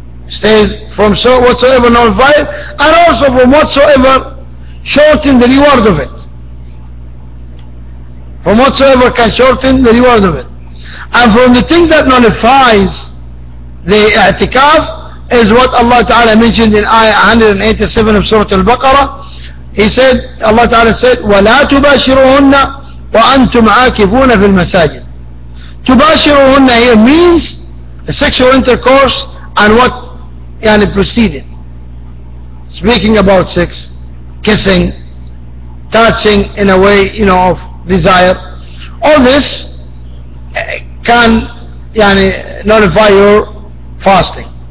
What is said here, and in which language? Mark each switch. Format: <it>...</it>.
<en>Stays from so whatsoever nullified, and also from whatsoever shorten the reward of it. from whatsoever can shorten the reward of it. And from the thing that nullifies the i'tikaf is what Allah Ta'ala mentioned in Ayah 187 of Surah Al-Baqarah. He said, Allah Ta'ala said,</en> <ar>وَلَا تُبَاشِرُهُنَّ وَأَنْتُمْ عَاكِفُونَ فِي الْمَسَاجِدِ.</ar> <en>تُبَاشِرُهُنَّ here means sexual intercourse and what yani preceded. Speaking about sex, kissing, touching in a way, you know, of desire. All this can yani nullify your fasting.</en>